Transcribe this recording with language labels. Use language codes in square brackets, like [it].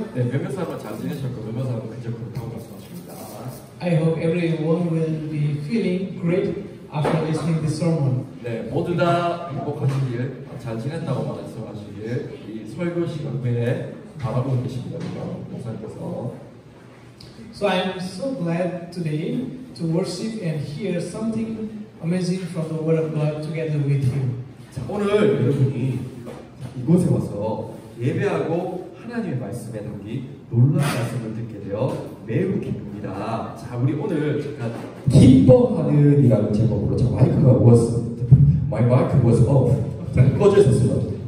[ko] 네, 몇 명 사람은 잘 지내셨고, 몇 명 사람은 굉장히 그렇다고 말씀하십니다. [en] I hope everyone will be feeling great after listening this sermon. [ko] 네, 모두 다 행복하시길, 잘 지냈다고 말씀하시길, 이 설교 시간에 바라보고 계십니다, 목사님께서. [en] So I'm so glad today to worship and hear something amazing from the Word of God together with you. [ko] 자, 오늘 여러분이 이곳에 와서 예배하고 하나님의 말씀에 담긴 놀라운 말씀을 듣게 되어 매우 기쁩니다. 자, 우리 오늘 잠깐 기뻐하는 이라는 제목으로 제 마이크가 [en] was my mic was off. [ko] 꺼졌었습니다.